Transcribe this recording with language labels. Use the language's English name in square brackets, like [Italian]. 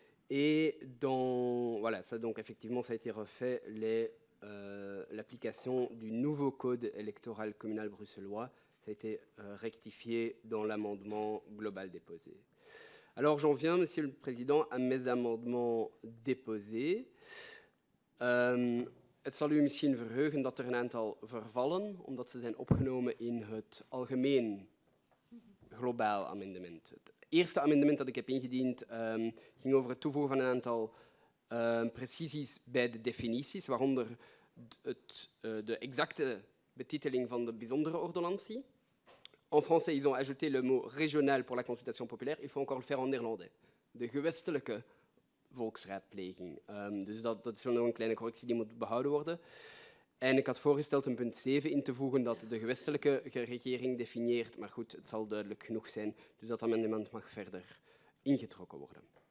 [French] Et ça a été refait l'application du nouveau code électoral communal bruxellois. Ça a été rectifié dans l'amendement global déposé. Alors j'en viens, Monsieur le Président, à mes amendements déposés. [Dutch] Het zal u misschien verheugen dat er een aantal vervallen, omdat ze zijn opgenomen in het algemeen globaal amendement. Het eerste amendement dat ik heb ingediend ging over het toevoegen van een aantal precisies bij de definities, waaronder de exacte betiteling van de bijzondere ordonnantie. [French] En français, ils ont ajouté le mot régional pour la consultation populaire. Il faut encore le faire en néerlandais. [Dutch] De gewestelijke volksraadpleging. Dus dat is wel nog een kleine correctie die moet behouden worden. En ik had voorgesteld een punt 7 in te voegen dat de gewestelijke regering definieert, maar goed, het zal duidelijk genoeg zijn, dus dat amendement mag verder ingetrokken worden.